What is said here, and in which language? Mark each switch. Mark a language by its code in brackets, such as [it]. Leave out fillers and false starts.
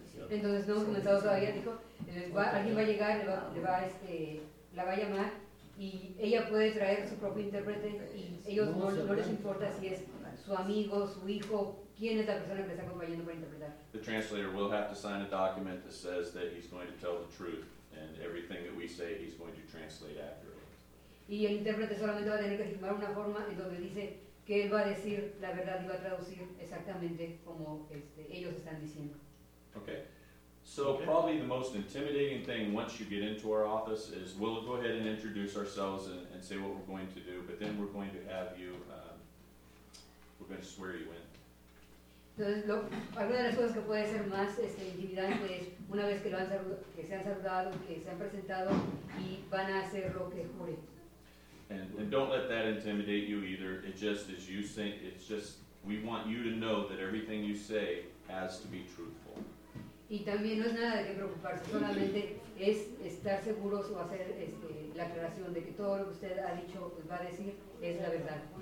[es] Entonces no hemos comenzado todavía, dijo, alguien va a llegar, la va a llamar y ella puede traer su propio intérprete y ellos no les importa si es su amigo, su hijo, quién es la persona que está acompañando para interpretar. [en] The translator will have to sign a document that says that he's going to tell the truth and everything that we say he's going to translate accurately. [es] Y el intérprete solamente va a tener que firmar una forma en donde dice que él va a decir la verdad y va a traducir exactamente como ellos están diciendo. [en] Okay, so okay. Probably the most intimidating thing once you get into our office is we'll go ahead and introduce ourselves and say what we're going to do, but then we're going to have you, we're going to swear you in. [es] Entonces, alguna de las cosas que puede ser más intimidante es una vez que se han saludado, que se han presentado y van a hacer lo que jure. [en] And don't let that intimidate you either. It just, as you say, it's just, we want you to know that everything you say has to be truthful. [es] Y también no es nada de qué preocuparse, solamente es estar seguros o hacer este, la aclaración de que todo lo que usted ha dicho pues, va a decir es la verdad.